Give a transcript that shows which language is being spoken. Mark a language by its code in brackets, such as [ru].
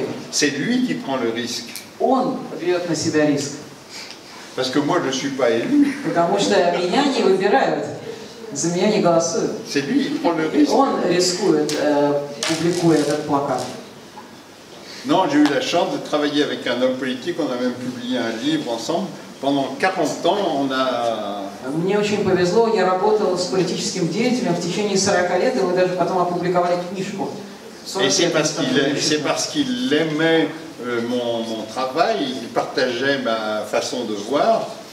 [fr] C'est lui qui prend le risque. [ru] Он берет на себя риск. [fr] Parce que moi je suis pas élu. [ru] Потому что меня не выбирают. За меня не голосуют. [fr] C'est lui qui prend le risque. [ru] Он рискует, публикуя этот плакат. [fr] Non, j'ai eu la chance de travailler avec un homme politique, on a même publié un livre ensemble. Pendant 40 ans, on a... [ru] Мне очень повезло, я работал с политическим деятелем в течение 40 лет, и мы даже потом опубликовали книжку. [fr] Et c'est parce qu'il aimait mon travail, il partageait ma façon de voir.